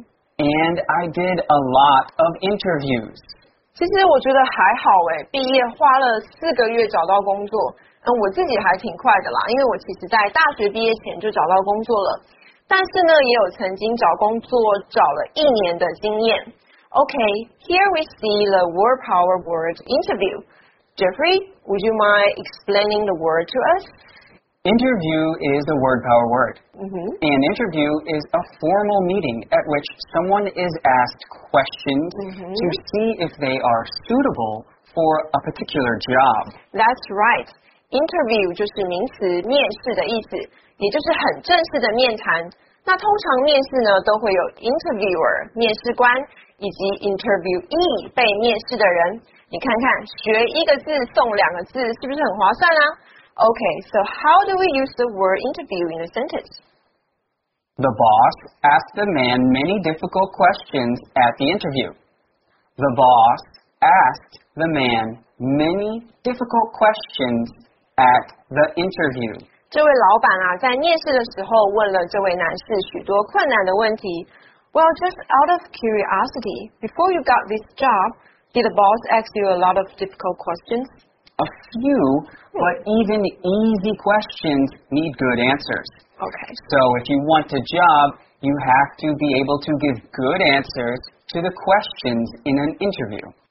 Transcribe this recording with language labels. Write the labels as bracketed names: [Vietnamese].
[English] and I did a lot of interviews. [Chinese] 其实我觉得还好耶，毕业花了4个月找到工作，我自己还挺快的啦，因为我其实在大学毕业前就找到工作了。但是呢，也有曾经找工作找了一年的经验。 [English] Okay, here we see the word power word interview. Jeffrey, would you mind explaining the word to us? Interview is a word power word. Mm-hmm. An interview is a formal meeting at which someone is asked questions to see if they are suitable for a particular job. That's right. [Chinese] Interview 就是名词面试的意思，也就是很正式的面谈。那通常面试呢，都会有 interviewer 面试官以及 interviewee 被面试的人。你看看，学一个字送两个字，是不是很划算啊？ [English] Okay, so how do we use the word interview in a sentence? The boss asked the man many difficult questions at the interview. The boss asked the man many difficult questions at the interview. [Chinese] 这位老板啊，在面试的时候问了这位男士许多困难的问题。 [English] Well, just out of curiosity, before you got this job, did the boss ask you a lot of difficult questions? A few, but even easy questions need good answers. Okay. So if you want a job, you have to be able to give good answers to the questions in an interview.